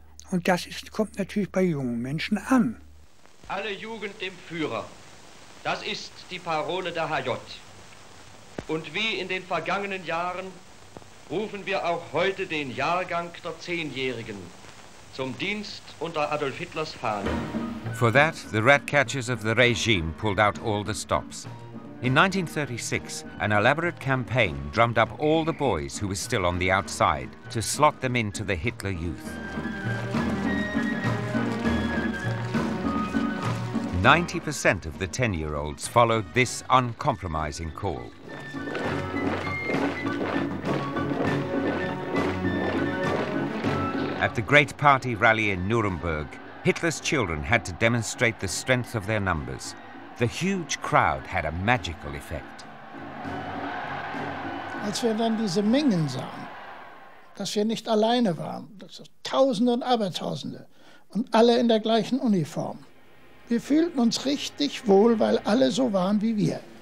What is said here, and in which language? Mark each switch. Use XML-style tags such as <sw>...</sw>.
<de>Und das kommt natürlich bei jungen Menschen an. Alle Jugend dem Führer. Das ist die Parole der HJ. Und wie in den vergangenen Jahren rufen wir auch heute den Jahrgang der Zehnjährigen zum Dienst unter Adolf Hitlers Fahnen.</de> <en>For that, the ratcatchers of the regime pulled out all the stops. In 1936, an elaborate campaign drummed up all the boys who were still on the outside to slot them into the Hitler Youth. 90% of the 10-year-olds followed this uncompromising call. At the great party rally in Nuremberg, Hitler's children had to demonstrate the strength of their numbers. The huge crowd had a magical effect.</en> <de>Als wir dann diese Mengen sahen, dass wir nicht alleine waren, dass es Tausende und Abertausende und alle in der gleichen Uniform. Wir fühlten uns richtig wohl, weil alle so waren wie wir.</de>